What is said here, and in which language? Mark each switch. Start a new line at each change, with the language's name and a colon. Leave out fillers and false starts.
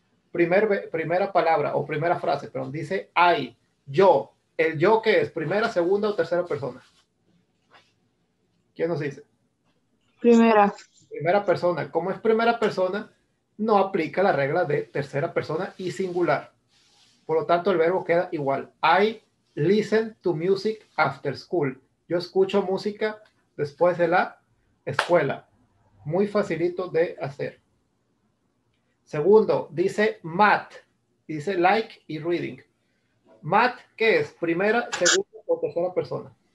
Spanish: Primera palabra o primera frase, perdón, dice I, yo. ¿El yo qué es? ¿Primera, segunda o tercera persona? ¿Quién nos dice? Primera. Primera persona. Como es primera persona, no aplica la regla de tercera persona y singular. Por lo tanto, el verbo queda igual. I
English: listen to music after school.
Spanish: Yo escucho música después de la escuela. Muy facilito de hacer. Segundo, dice math. Dice like y reading. Math, ¿qué es? ¿Primera, segunda o tercera persona?